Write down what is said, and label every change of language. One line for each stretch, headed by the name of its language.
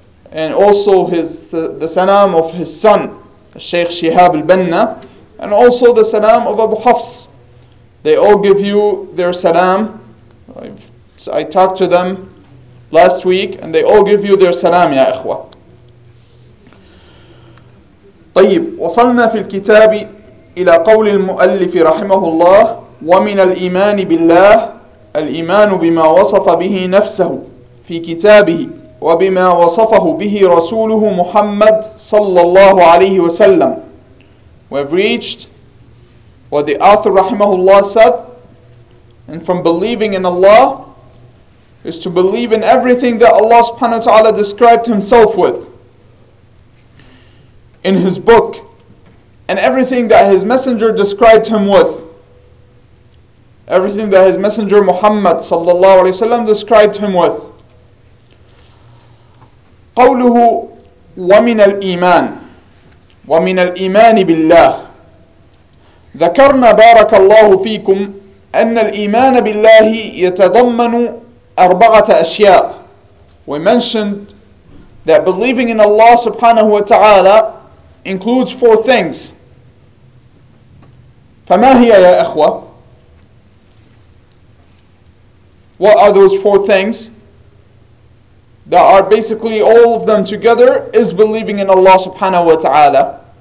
English: And also the salam of his son, Shaykh Shihab al-Banna, and also the salam of Abu Hafs. They all give you their salam. I talked to them last week, and they all give you their salam, ya ikhwa.
Arabic: طيب، وصلنا في الكتاب إلى قول المؤلف رحمه الله ومن الإيمان بالله الإيمان بما وصف به نفسه في كتابه وبما وصفه به رسوله محمد صلى الله عليه وسلم.
English: We've reached what the author رحمه الله said, and from believing in Allah is to believe in everything that Allah subhanahu wa ta'ala described himself with in his book, and everything that his messenger described him with, everything that his messenger Muhammad صلى الله عليه وسلم described him with.
Arabic: قوله ومن الإيمان، ومن الإيمان بالله. ذكرنا بارك الله فيكم أن الإيمان بالله يتضمن أربعة أشياء.
English: We mentioned that believing in Allah سبحانه وتعالى includes four things.
Arabic: فما هي يا إخوة؟
English: What are those four things that are basically all of them together is believing in Allah subhanahu wa ta'ala?